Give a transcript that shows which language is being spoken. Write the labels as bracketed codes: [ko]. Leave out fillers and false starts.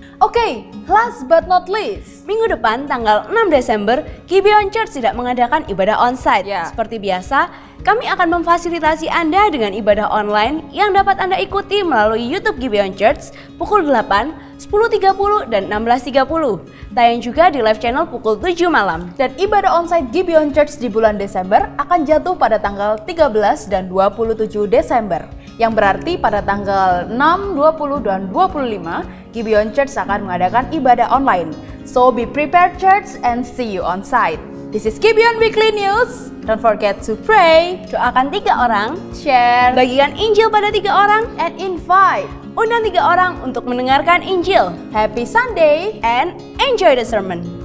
[en] Oke, okay, last but not least. [id] Minggu depan, tanggal 6 Desember, Gibeon Church tidak mengadakan ibadah onsite. Yeah. Seperti biasa, kami akan memfasilitasi Anda dengan ibadah online yang dapat Anda ikuti melalui YouTube Gibeon Church pukul 8, 10.30, dan 16.30. Tayang juga di live channel pukul 7 malam. Dan ibadah onsite Gibeon Church di bulan Desember akan jatuh pada tanggal 13 dan 27 Desember. Yang berarti pada tanggal 6, 20, dan 25, Gibeon Church akan mengadakan ibadah online. [en] So be prepared, Church, and see you on site. This is Gibeon Weekly News. Don't forget to pray. [id] Doakan 3 orang. [en] Share. [id] Bagikan Injil pada 3 orang. [en] And invite. [id] Undang 3 orang untuk mendengarkan Injil. [en] Happy Sunday. And enjoy the sermon.